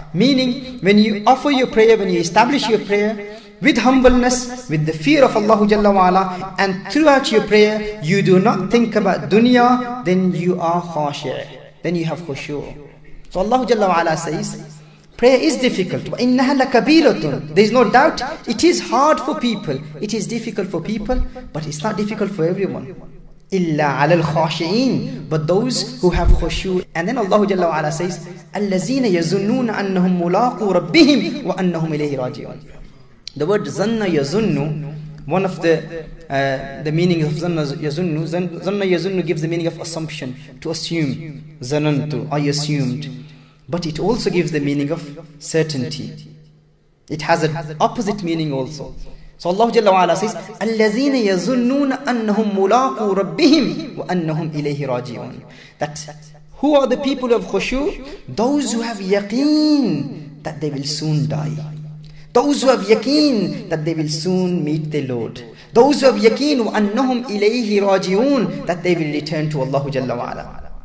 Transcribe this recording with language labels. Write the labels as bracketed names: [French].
[English] Meaning, when you offer your prayer, when you establish your prayer with humbleness, with the fear of Allah Jalla wa'ala, and throughout your prayer, you do not think about dunya, then you are khashi', then you have khushu'. So Allah Jalla wa'ala says, prayer is difficult. [Arabic] وَإِنَّهَا لَكَبِيرَةٌ. [English] There is no doubt, it is hard for people. It is difficult for people, but it's not difficult for everyone. [Arabic] إِلَّا عَلَى الْخَاشِعِينَ. [English] But those who have khushu. And then Allah Jalla wa'ala says, [Arabic] الَّذِينَ يَزُنُّونَ أَنَّهُمْ مُلَاقُوا رَبِّهِمْ وَأَنَّهُمْ إِلَيْهِ رَاجِعُونَ. [English] The word zanna yazunnu, one of the meaning of zanna yazunnu, zanna yazunnu gives the meaning of assumption, to assume. Zanantu, I assumed. But it also gives the meaning of certainty. It has an opposite meaning also. So Allah Jalla wa'ala says, [Arabic] الَّذِينَ يَزُنُّونَ أَنَّهُمْ مُلَاقُوا رَبِّهِمْ وَأَنَّهُمْ إِلَيْهِ رَاجِعُونَ. [English] That who are the people of khushu? Those who have yaqeen that they will soon die. Those who have yaqeen that they will soon meet the Lord. Those who have yaqeen [Arabic] وَأَنَّهُمْ إِلَيْهِ رَاجِعُونَ, [English] that they will return to Allah Jalla wa'ala.